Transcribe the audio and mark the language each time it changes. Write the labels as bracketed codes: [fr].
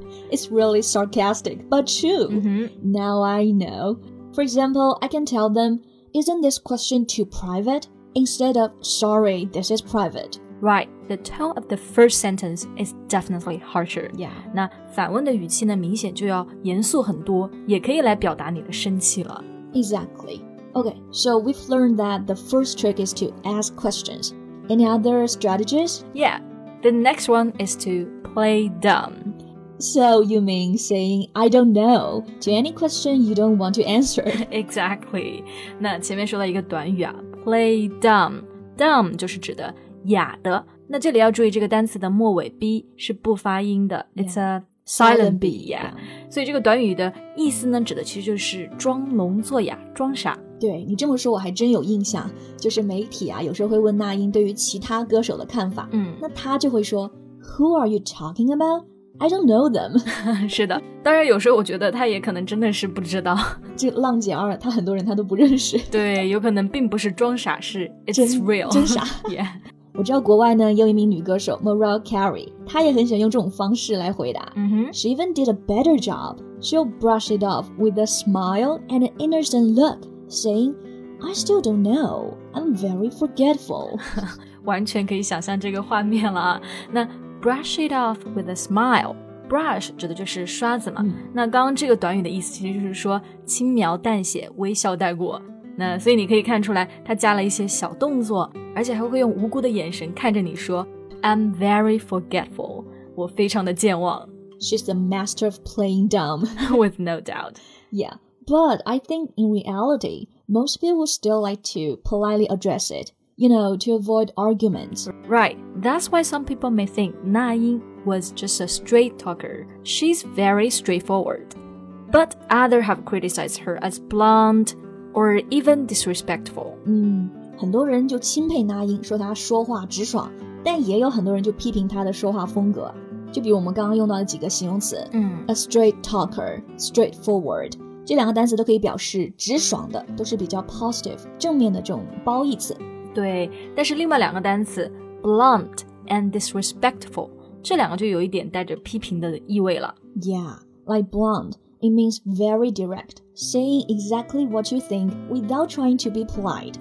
[en] It's really sarcastic, but true.、 Mm-hmm. Now I know. For example, I can tell them, isn't this question too private? Instead of, sorry, this is private. Right, the tone of the first sentence is definitely harsher. Yeah. [zh] 那反问的语气呢，明显就要严肃很多，也可以来表达你的生气了。 [en] Exactly. Okay, so we've learned that the first trick is to ask questions. Any other strategies? Yeah, the next one is to play dumb. So you mean saying, I don't know, to any question you don't want to answer. Exactly. [zh] 那前面说了一个短语啊 play dumb. Dumb 就是指的哑的。那这里要注意这个单词的末尾 B 是不发音的。 [en] Yeah. It's a silent B, yeah. yeah. [zh] 所以这个短语的意思呢指的其实就是装聋作哑装傻。对你这么说我还真有印象。就是媒体啊有时候会问那英对于其他歌手的看法。嗯。那他就会说 [en] who are you talking about? I don't know them. [zh] 是的，当然有时候我觉得他也可能真的是不知道。这浪姐二，他很多人他都不认识。对，有可能并不是装傻，是 [en] it's real. [zh] 真傻。 [en] Yeah. [zh] 我知道国外呢，有一名女歌手 Mariah Carey, 她也很喜欢用这种方式来回答。 [en] Mm-hmm. She even did a better job. She'll brush it off with a smile and an innocent look, saying, I still don't know. I'm very forgetful. [zh] 完全可以想象这个画面了。 [en] 那Brush it off with a smile. [zh] Brush 指的就是刷子嘛、嗯、那刚刚这个短语的意思其实就是说轻描淡写微笑带过。那所以你可以看出来他加了一些小动作，而且还会用无辜的眼神看着你说 [en] I'm very forgetful. [zh] 我非常的健忘。 [en] She's the master of playing dumb. With no doubt. Yeah, but I think in reality, most people would still like to politely address it. You know, to avoid arguments. Right. That's why some people may think Na Ying was just a straight talker. She's very straightforward. But others have criticized her as blunt or even disrespectful. [zh] 嗯，很多人就钦佩 Na Ying, 说她说话直爽，但也有很多人就批评她的说话风格。就比如我们刚刚用到的几个形容词，嗯 [en] ，a straight talker, straightforward. [zh] 这两个单词都可以表示直爽的，都是比较 positive, 正面的这种褒义词。对，但是另外两个单词 blunt and disrespectful 这两个就有一点带着批评的意味了。 [en] Yeah, like blunt, it means very direct, saying exactly what you think without trying to be polite.